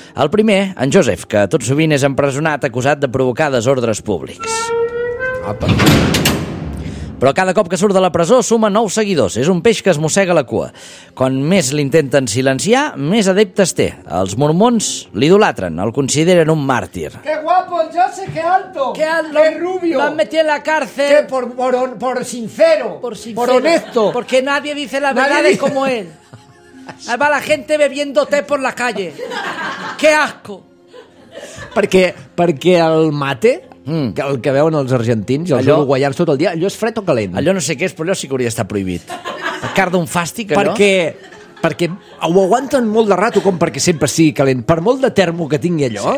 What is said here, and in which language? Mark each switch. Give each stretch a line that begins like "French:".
Catalan: El primer, en Josep, que tot sovint és empresonat acusat de provocar desordres públics. Apa. Però cada cop que surt de la presó suma nous seguidors. És un peix que es mossega la cua. Quan més l'intenten silenciar, més adeptes té. Els mormons l'idolatren, el consideren un màrtir.
Spanish: ¡Qué guapo, el Jose, qué alto! ¡Qué alto! ¡Qué rubio! ¡Lo han metido en la cárcel! ¡Qué por sincero! ¡Por sincero! ¡Por honesto! Porque nadie dice la verdad de como él. Ahí va la gente bebiendo té por la calle. ¡Qué asco!
Catalan: Perquè el mate, el que veuen els argentins i els uruguaians tot el dia, allò és fred o calent? Allò no sé què és, però allò sí que hauria d'estar prohibit. El car d'un fàstic, allò? Perquè ho aguanten molt de rato, com perquè sempre sigui calent. Per molt de termo que tingui allò,